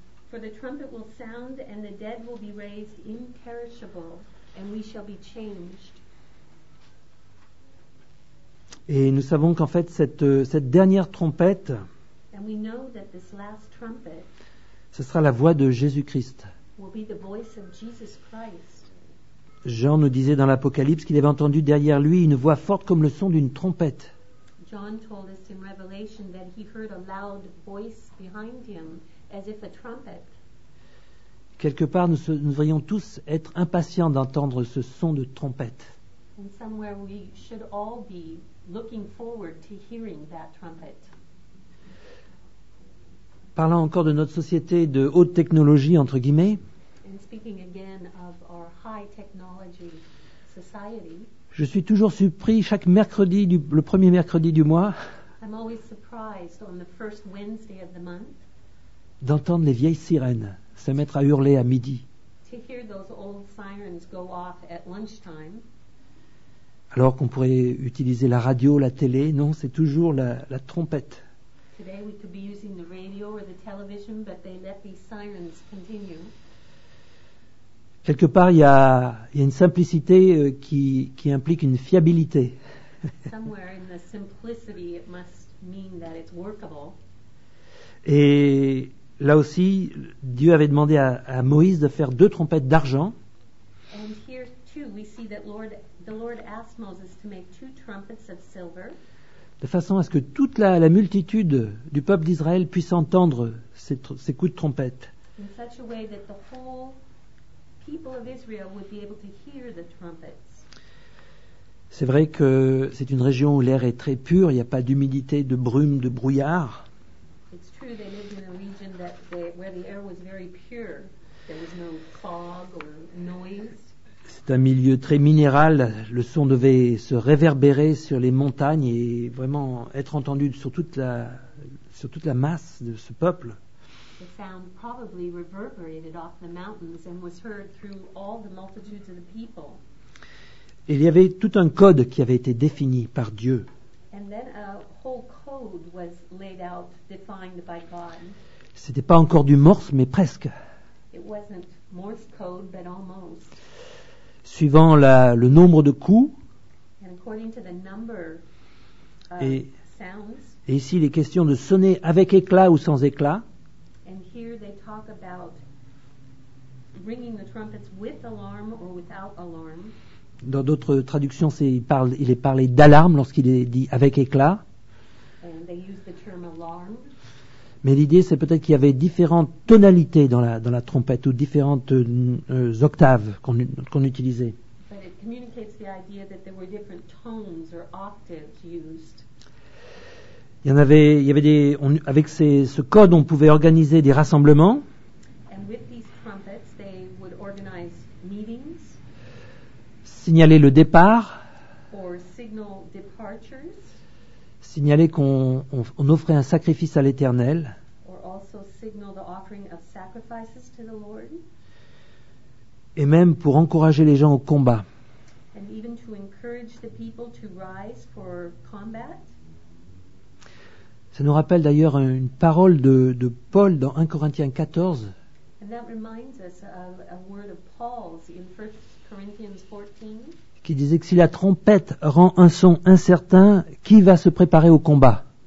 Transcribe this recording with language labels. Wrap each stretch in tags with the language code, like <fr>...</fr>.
<en>For the trumpet will sound and the dead will be raised imperishable and we shall be changed.</en> <fr>Et nous savons qu'en fait cette dernière trompette,</fr> <en>and we know that this last trumpet,</en> <fr>ce sera la voix de Jésus-Christ.</fr> <en>Will be the voice of Jesus Christ.</en> <fr>Jean nous disait dans l'Apocalypse qu'il avait entendu derrière lui une voix forte comme le son d'une trompette.</fr> <en>John told us in Revelation that he heard a loud voice behind him as if a trumpet.</en> <fr>Quelque part nous devrions tous être impatients d'entendre ce son de trompette.</fr> <en>And somewhere we should all be looking forward to hearing that trumpet.</en> <fr>Parlant encore de notre société de haute technologie, entre guillemets,</fr> <en>and speaking again of our high technology society,</en> <fr>je suis toujours surpris chaque mercredi, le premier mercredi du mois,</fr> <en>I'm always surprised on the first Wednesday of the month,</en> <fr>d'entendre les vieilles sirènes se mettre à hurler à midi.</fr> <en>To hear those old sirens go off at lunchtime.</en> <fr>Alors qu'on pourrait utiliser la radio, la télé, non, c'est toujours la trompette.</fr> <en>Today we could be using the radio or the television, but they let these sirens continue.</en> <fr>Quelque part, il y a une simplicité qui implique une fiabilité.</fr> <en>Somewhere in the simplicity, it must mean that it's workable.</en> <fr>Et là aussi, Dieu avait demandé à Moïse de faire deux trompettes d'argent.</fr> <en>And here too, we see that the Lord asked Moses to make two trumpets of silver.</en> <fr>De façon à ce que toute la multitude du peuple d'Israël puisse entendre ces coups de trompette.</fr> <en>In such a way that the whole people of Israel would be able to hear the trumpets.</en> <fr>C'est vrai que c'est une région où l'air est très pur, il n'y a pas d'humidité, de brume, de brouillard.</fr> <en>It's true they lived in a region where the air was very pure. There was no fog or noise.</en> <fr>C'est un milieu très minéral. Le son devait se réverbérer sur les montagnes et vraiment être entendu sur toute la masse de ce peuple.</fr> <en>The sound probably reverberated off the mountains and was heard through all the multitudes of the people.</en> <fr>Il y avait tout un code qui avait été défini par Dieu.</fr> <en>And then a whole code was laid out, defined by God.</en> <fr>C'était pas encore du Morse, mais presque.</fr> <en>It wasn't Morse code, but almost.</en> <fr>Suivant le nombre de coups.</fr> <en>And according to the number of sounds,</en> <fr>et ici, il est question de sonner avec éclat ou sans éclat.</fr> <en>And here they talk about ringing the trumpets with alarm or without alarm.</en> <fr>Dans d'autres traductions, il est parlé d'alarme lorsqu'il est dit avec éclat.</fr> <en>And they use the term alarm.</en> <fr>Mais l'idée, c'est peut-être qu'il y avait différentes tonalités dans la trompette ou différentes octaves qu'on utilisait.</fr> <en>But it communicates the idea that there were different tones or octaves used.</en> <fr>Avec ce code, on pouvait organiser des rassemblements.</fr> <en>And with these trumpets, they would organize meetings.</en> <fr>Signaler le départ.</fr> <en>Or signal departures.</en> <fr>Signaler qu'on offrait un sacrifice à l'Éternel.</fr> <en>Or also signal the offering of sacrifices to the Lord.</en> <fr>Et même pour encourager les gens au combat.</fr> <en>And even to encourage the people to rise for combat.</en> <fr>Ça nous rappelle d'ailleurs une parole de Paul dans 1 Corinthiens 14.</fr> <en>And that reminds us of a word of Paul's in 1 Corinthians 14.</en> <fr>Qui disait que si la trompette rend un son incertain, qui va se préparer au combat?</fr>